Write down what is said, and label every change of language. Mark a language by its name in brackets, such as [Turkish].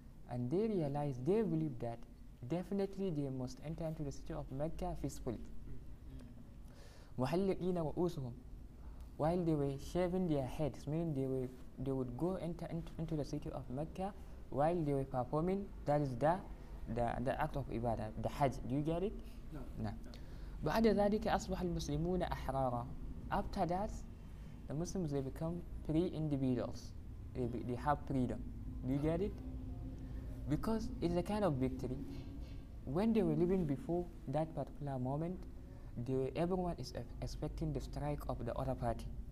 [English] And they realized, they believed that definitely they must enter into the city of Mecca peacefully. [Arabic] مُحَلِّقِينَ وَأُوسُهُمْ. [English] While they were shaving their heads, meaning they would go into the city of Mecca while they were performing, that is the act of ibadah, the hajj. Do you get it? No. [Arabic] بعد ذلك أصبح المسلمون أحرارا. [English] After that, the Muslims, they become free individuals. They have freedom. Do you get it? Because it's a kind of victory. When they were living before that particular moment, everyone is expecting the strike of the other party.